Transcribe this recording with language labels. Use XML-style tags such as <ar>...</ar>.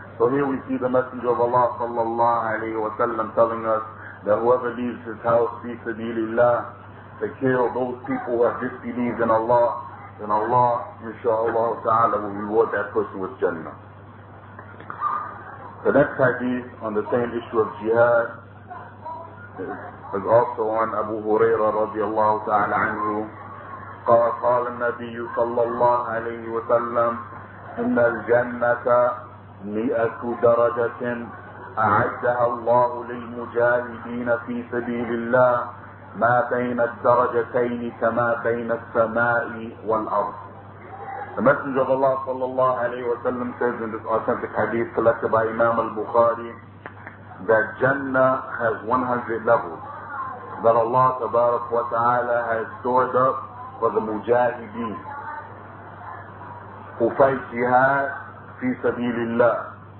<en>So here we see the Messenger of Allah sallallahu alayhi wa sallam telling us that whoever leaves his house fi sabilillah to kill those people who have disbelieved in Allah, then Allah, inshaAllah ta'ala, will reward that person with Jannah. The next hadith on the same issue of jihad is also on Abu Huraira radiallahu ta'ala anhu.</en> <ar>قال النبي صلى الله عليه وسلم إن الجنة 100 درجة أعدها الله للمجاهدين في سبيل الله ما بين الدرجتين كما بين السماء والأرض.</ar> <en>The Messenger of Allah</en> <ar>صلى الله عليه وسلم</ar> <en>says in this authentic hadith collected by Imam al-Bukhari that Jannah has 100 levels that Allah</en> <ar>تبارك وتعالى</ar> <en>has stored up for the mujahideen who fight jihad fi sabilillah.</en>